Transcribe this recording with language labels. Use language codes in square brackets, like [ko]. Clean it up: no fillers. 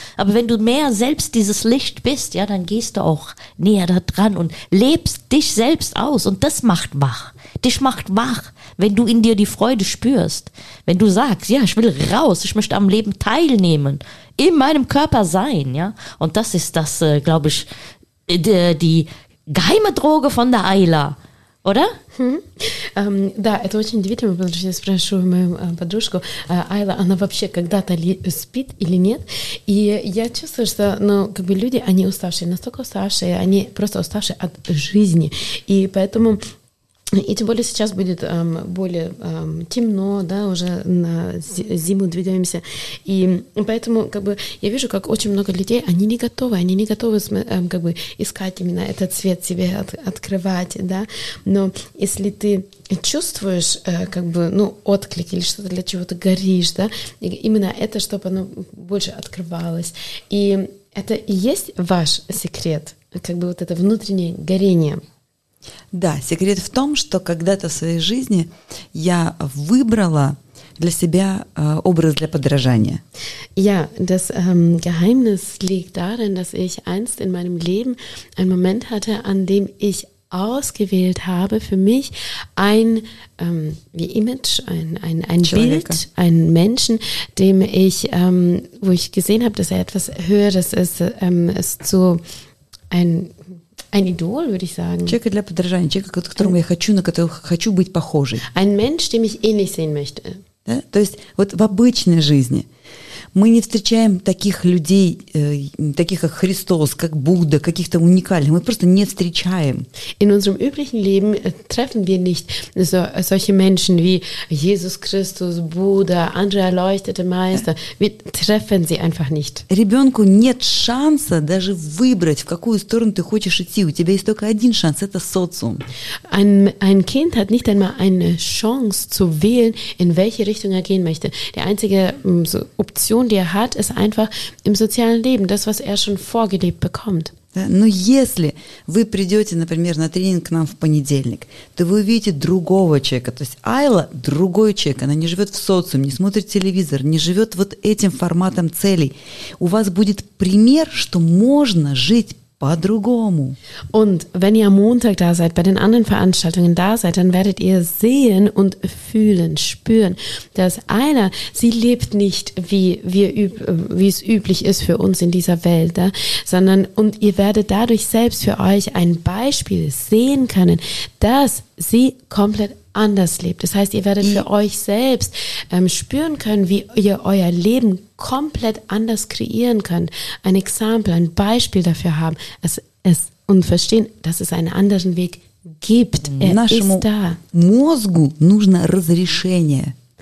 [de] Aber wenn du mehr selbst dieses Licht bist, ja, dann gehst du auch näher da dran und lebst dich selbst aus und das macht wach. Dich macht wach, wenn du in dir die Freude spürst. Wenn du sagst, ja, ich will raus, ich möchte am Leben teilnehmen, in meinem Körper sein, ja. Und das ist das, glaube ich, die geheime Droge von der Айла. Oder? [ru] Да, это очень удивительно, потому что я спрашиваю мою подружку, Айла, она вообще когда-то спит или нет? И я чувствую, что ну, как бы люди, они уставшие, настолько уставшие, они просто уставшие от жизни. И поэтому... И тем более сейчас будет более темно, да, уже на зиму двигаемся. И поэтому, как бы, я вижу, как очень много людей, они не готовы, как бы, искать именно этот свет себе, открывать, да. Но если ты чувствуешь, как бы, ну, отклик или что-то, для чего ты горишь, да, именно это, чтобы оно больше открывалось. И это и есть ваш секрет, как бы, вот это внутреннее горение. Да, секрет в том, что когда-то в своей жизни я выбрала для себя образ для подражания. [de] Ja, das Geheimnis liegt darin, dass ich einst in meinem Leben einen Moment hatte, an dem ich ausgewählt habe für mich ein wie Image, ein Bild, einen Menschen, dem ich wo ich gesehen habe, dass er etwas Höheres ist, ist zu ein Idol, würde ich sagen. [ru] Человек для подражания, человек, которому я хочу, на которого хочу быть похожей. [de] Ein Mensch, dem ich ähnlich sehen möchte. [ru] Да? То есть вот в обычной жизни мы не встречаем таких людей, таких как Христос, как Будда, каких-то уникальных, мы просто не встречаем. [de] In unserem üblichen Leben treffen wir nicht so, solche Menschen wie Jesus Christus, Buddha, andere erleuchtete Meister. Wir treffen sie einfach nicht. [ru] Ребенку нет шанса даже выбрать, в какую сторону ты хочешь идти. У тебя есть только один шанс, это социум. [de] Ein Kind hat nicht einmal eine Chance zu wählen, in welche Richtung er gehen möchte. Die einzige Option, die er hat, ist einfach im sozialen Leben, das, was er schon vorgelebt bekommt. [ru] Да, но если вы придете, например, на тренинг к нам в понедельник, то вы увидите другого человека. То есть Айла – другой человек. Она не живет в социуме, не смотрит телевизор, не живет вот этим форматом целей. У вас будет пример, что можно жить по-другому. [de] Und wenn ihr am Montag da seid, bei den anderen Veranstaltungen da seid, dann werdet ihr sehen und fühlen, spüren, dass Айла, sie lebt nicht, wie es üblich ist für uns in dieser Welt, da, sondern und ihr werdet dadurch selbst für euch ein Beispiel sehen können, dass sie komplett anders lebt. Das heißt, ihr werdet für euch selbst spüren können, wie ihr euer Leben komplett anders kreieren könnt. Ein Exempel, ein Beispiel dafür haben es, und verstehen, dass es einen anderen Weg gibt. Er [ru] Нашему [de] ist da. [ru] Мозгу нужно разрешение.